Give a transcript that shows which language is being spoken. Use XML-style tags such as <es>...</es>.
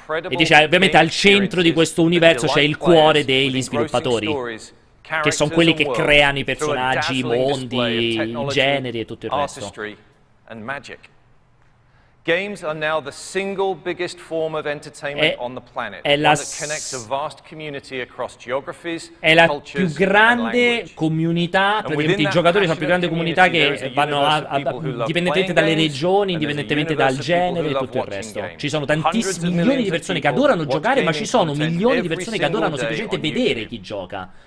<it>E dice, ovviamente al centro di questo universo c'è il cuore degli sviluppatori, che sono quelli che creano i personaggi, i mondi, i generi e tutto il resto.</it> <en>And magic. Games are now the single biggest form of entertainment on the planet.</en> <it>È la più grande comunità, praticamente i giocatori sono la più grande comunità che vanno indipendentemente dalle regioni, indipendentemente dal genere e tutto il resto. Ci sono tantissimi milioni di persone che adorano giocare, ma ci sono milioni di persone che adorano semplicemente vedere chi gioca.</it>